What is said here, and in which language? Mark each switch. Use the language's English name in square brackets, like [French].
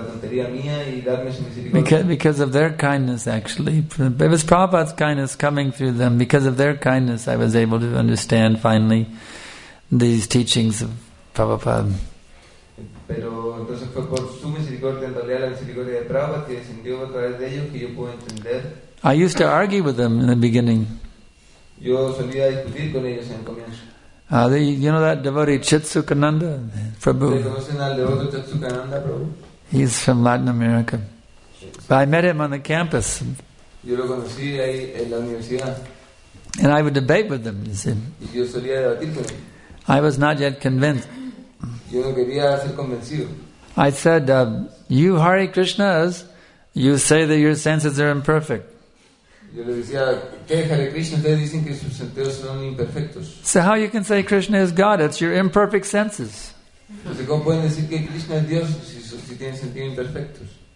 [English] Because of their kindness, actually. It was Prabhupada's kindness coming through them. Because of their kindness, I was able to understand finally these teachings of Prabhupada. [Spanish] Pero entonces fue por su misericordia, en realidad la misericordia de Prabhupada que descendió a través de ellos que yo pude entender. [English] I used to argue with them in the beginning. [Spanish] Yo solía discutir con ellos en el comienzo. [English] You know that devotee Chitsukananda Prabhu? [Spanish] ¿Conocen al devoto Chitsukananda Prabhu? [English] He's from Latin America. But I met him on the campus. [Spanish] Yo lo conocí ahí en la universidad. [English] And I would debate with them, you see. [Spanish] Y yo solía debatir con él. [English] I was not yet convinced. [Spanish] Yo no quería ser convencido. [English] I said, you Hare Krishnas, you say that your senses are imperfect. [Spanish] Yo le decía, ¿qué, Hare Krishna? Ustedes dicen que sus sentidos son imperfectos. [English] So how you can say Krishna is God? It's your imperfect senses. [Spanish] Entonces, ¿cómo pueden decir que Krishna es Dios si tienen sentidos imperfectos?